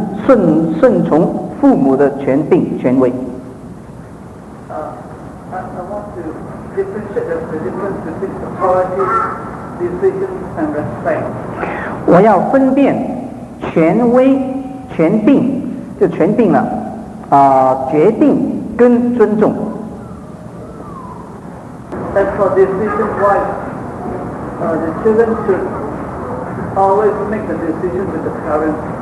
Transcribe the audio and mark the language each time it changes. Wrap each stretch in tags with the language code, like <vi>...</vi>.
<zh>If顺从父母的权柄权威。</zh> <en>I want to differentiate the difference between authority, decision, and respect.</en> <zh>我要分辨权威、权柄，就权柄了，决定跟尊重。</zh> <en>As for decision, why? The children should always make the decision with the parents.</en>